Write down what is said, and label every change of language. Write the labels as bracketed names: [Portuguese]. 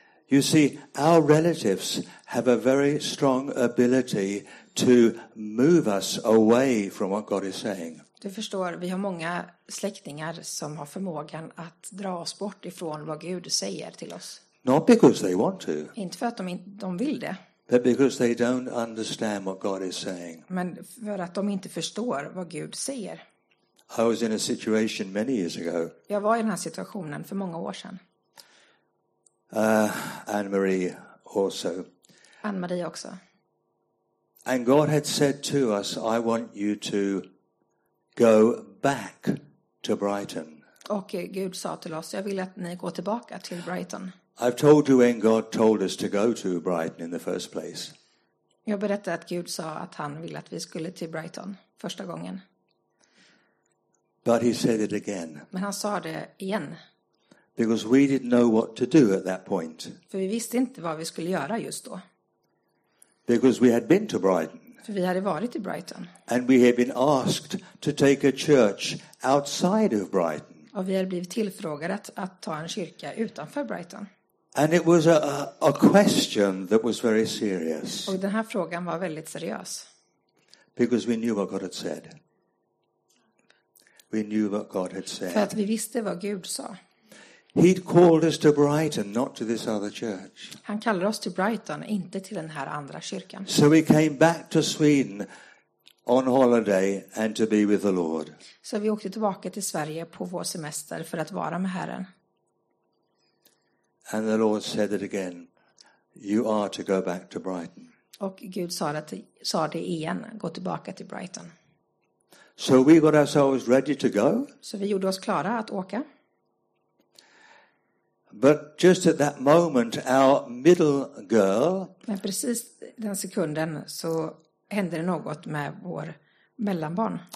[English] You see, our relatives have a very strong ability to move us away from what God is saying. [Swedish] Du förstår, vi har många släktingar som har förmågan att dra oss bort ifrån vad Gud säger till oss. [English] Not because they want to. [Swedish] Inte för att de vill det. [English] But because they don't understand what God is saying. [Swedish] Men för att de inte förstår vad Gud säger. [English] I was in a situation many years ago. [Swedish] Jag var i den här situationen för många år sedan. [English] Anne-Marie also. [Swedish] Anne-Marie också. [English] And God had said to us, I want you to go back to Brighton. [Swedish] Och Gud sa till oss, jag vill att ni går tillbaka till Brighton. [English] I've told you when God told us to go to Brighton in the first place. [Swedish] Jag berättade att Gud sa att han ville att vi skulle till Brighton första gången. [English] But he said it again. [Swedish] Men han sa det igen. [English] Because we didn't know what to do at that point. [Swedish] För vi visste inte vad vi skulle göra just då. [English] Because we had been to Brighton. [Swedish] För vi hade varit i Brighton. [English] And we had been asked to take a church outside of Brighton. [Swedish] Och vi hade blivit tillfrågade att ta en kyrka utanför Brighton. [English] And it was a question that was very serious. [Swedish] Och den här frågan var väldigt seriös. [English] Because we knew what God had said. We knew what God had said. [Swedish] För att vi visste vad Gud sa. [English] He'd called us to Brighton, not to this other church. [Swedish] Han kallar oss till Brighton, inte till den här andra kyrkan. [English] So we came back to Sweden on holiday and to be with the Lord. [Swedish] Så vi åkte tillbaka till Sverige på vår semester för att vara med Herren. [English] And the Lord said it again. You are to go back to Brighton. [Swedish] Och Gud sa det igen, gå tillbaka till Brighton. [English] So we got ourselves ready to go. [Swedish] Så vi gjorde oss klara att åka. [English] But just at that moment our middle girl. [Swedish] Men precis den sekunden så hände det något med vår mellanbarn.